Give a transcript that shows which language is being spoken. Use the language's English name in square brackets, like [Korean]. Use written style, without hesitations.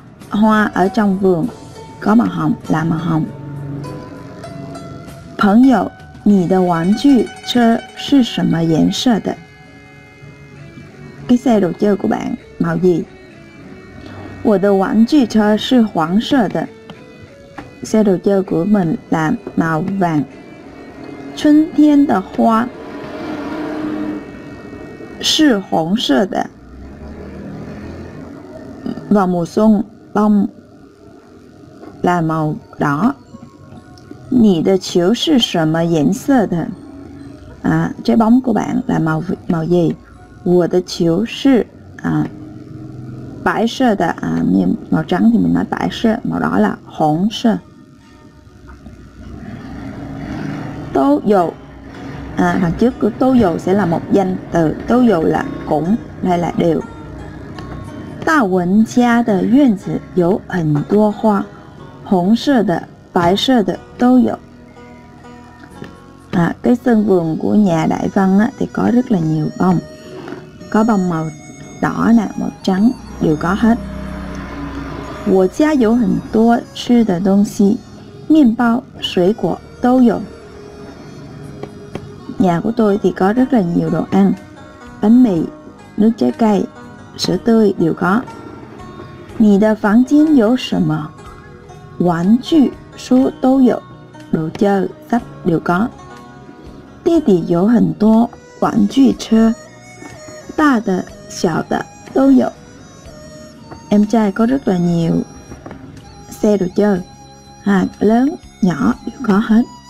[Vietnamese] Hoa ở trong vườn có màu hồng, là màu hồng. Bạn có, [Chinese] 你的玩具车是什么颜色的? [Vietnamese] Cái xe đồ chơi của bạn màu gì? [Chinese] 我的玩具车是黄色的. [Vietnamese] Xe đồ chơi của mình là màu vàng. [Chinese] 春天的花是红色的. [Vietnamese] Vào mùa xuân, bông là màu đỏ. [Chinese] 你的球是什么颜色的? [Vietnamese] Trái bóng của bạn là màu gì? [Chinese] 我的球是 白色的, [Vietnamese] màu trắng thì mình nói 白色, màu đỏ là 红色. 都有, đằng trước của 都有 sẽ là một danh từ. 都有 là cũng, đây là đều. [Chinese] 大文家的院子有很多花, 红色的, 白色的, 都有. [Vietnamese] Cái sân vườn của nhà đại văn á, thì có rất là nhiều bông. Có bông màu đỏ nè, màu trắng, đều có hết. [Chinese] 我家有很多吃的东西, 面包, 水果, 都有. [Vietnamese] Nhà của tôi thì có rất là nhiều đồ ăn, bánh mì, nước trái cây, sữa tươi đều có. [Chinese] 你的房间有什么?玩具书都有. [Vietnamese] Đồ chơi, sách đều có. [Chinese] 弟弟有很多玩具车, 大的小的都有. [Vietnamese] Em trai có rất là nhiều xe đồ chơi, lớn nhỏ đều có hết.